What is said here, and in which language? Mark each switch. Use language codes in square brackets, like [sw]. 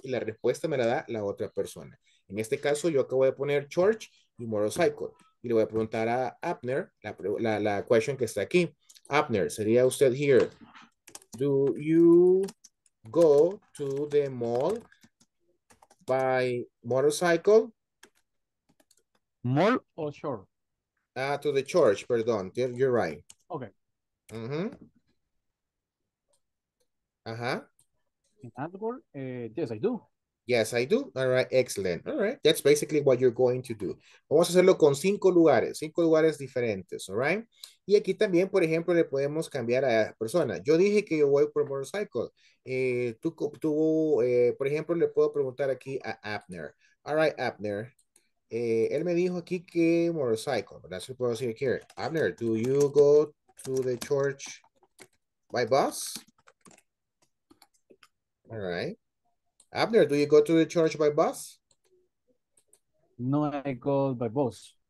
[es] Y la respuesta me la da la otra persona. En este caso, yo acabo de poner church y motorcycle. Y le voy a preguntar a Abner la question que está aquí. Abner, sería usted [en] here. Do you go to the mall by motorcycle? Mall or short? To the church, [es] perdón. [en] You're right. Okay. Mm-hmm. Uh-huh. Yes, I do. All right, excellent. All right, that's basically what you're going to do. [es] Vamos a hacerlo con cinco lugares diferentes, [en] all right? [es] Y aquí también, por ejemplo, le podemos cambiar a persona. Yo dije que yo voy por motorcycle. Por ejemplo, le puedo preguntar aquí a Abner. [en] All right, Abner. [es] Él me dijo aquí que [en] motorcycle. That's what I was saying here. Abner, do you go to the church by bus? All right. Abner, do you go to the church by bus? No, I go by bus.